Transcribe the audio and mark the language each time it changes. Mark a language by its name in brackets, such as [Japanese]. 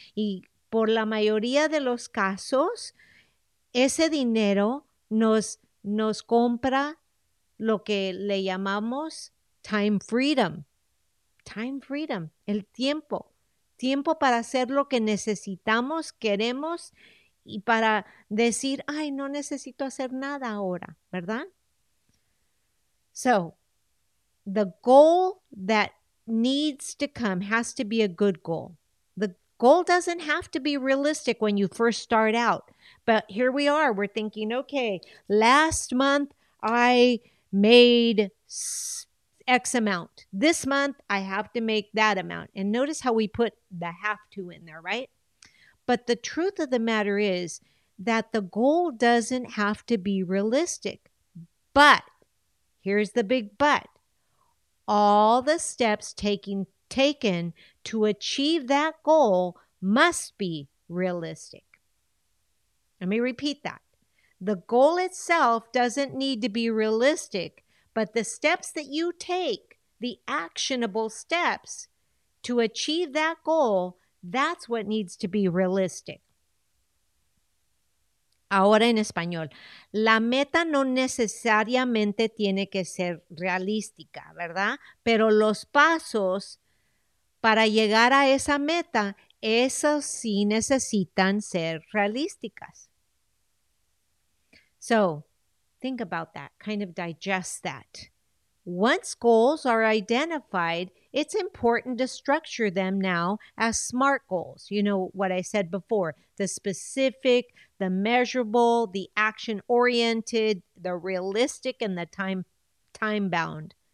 [Spanish] Y por la mayoría de los casos, ese dinero nos compra lo que le llamamos [English] time freedom, [Spanish] el tiempo, tiempo para hacer lo que necesitamos, queremos y para decir, ay, no necesito hacer nada ahora, ¿verdad? [English] So, the goal that needs to come has to be a good goal. The goal doesn't have to be realistic when you first start out. But here we are, we're thinking, okay, last month I made X amount. This month I have to make that amount. And notice how we put the have to in there, right? But the truth of the matter is that the goal doesn't have to be realistic. But here's the big but. All the steps taken to achieve that goal must be realistic. Let me repeat that. The goal itself doesn't need to be realistic, but the steps that you take, the actionable steps to achieve that goal, that's what needs to be realistic. [Spanish] Ahora en español. La meta no necesariamente tiene que ser realística, ¿verdad? Pero los pasos para llegar a esa meta, esos sí necesitan ser realísticas. [English] So, think about that, kind of digest that. Once goals are identified, it's important to structure them now as SMART goals. You know what I said before, the specific, the measurable, the action-oriented, the realistic, and the time-bound.